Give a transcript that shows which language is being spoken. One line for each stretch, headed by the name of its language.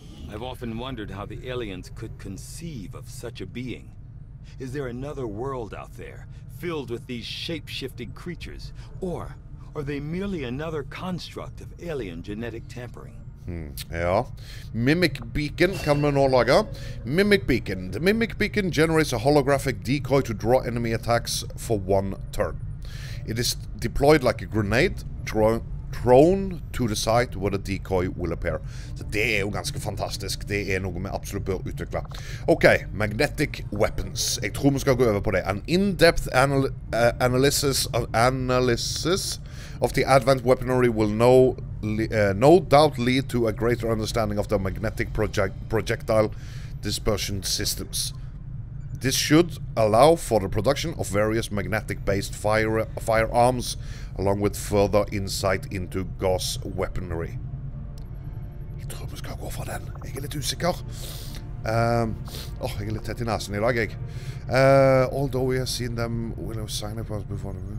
English: I've often wondered how the aliens could conceive of such a being. Is there another world out there, filled with these shape-shifting creatures? Or are they merely another construct of alien genetic tampering?
Norwegian: Ja. Mimic Beacon kan vi nå lage.
English: Mimic Beacon. The Mimic Beacon generates a holographic decoy to draw enemy attacks for one turn. It is deployed like a grenade, thrown to the site where the decoy will appear.
Norwegian: Så det er jo ganske fantastisk. Det er noe vi absolutt bør utvikle.
English: Ok, magnetic weapons.
Norwegian: Jeg tror vi skal gå over på det.
English: An in-depth analysis of the advanced weaponry will no doubt lead to a greater understanding of the magnetic projectile dispersion systems. This should allow for the production of various magnetic-based firearms, along with further insight into Gauss weaponry.
Norwegian: Jeg tror vi skal gå for den. Jeg er litt usikker. Jeg er litt tett i nasen i dag, jeg.
English: Although we have seen them, we'll have signed up as before.